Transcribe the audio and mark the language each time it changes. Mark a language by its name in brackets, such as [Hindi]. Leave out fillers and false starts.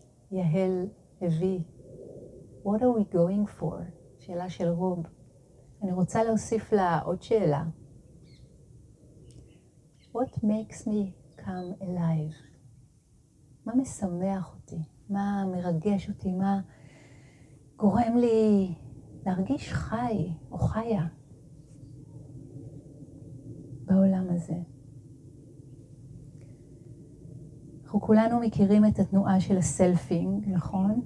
[Hebrew] יהל הביא, [English] what are we going for? [Hebrew] שאלה של רוב. אני רוצה להוסיף לה עוד שאלה. [English] What makes me come alive? [Hebrew] מה משמח אותי? מה מרגש אותי? מה גורם לי להרגיש חי או חיה בעולם הזה? אנחנו כולנו מכירים את התנועה של הסלפינג, נכון?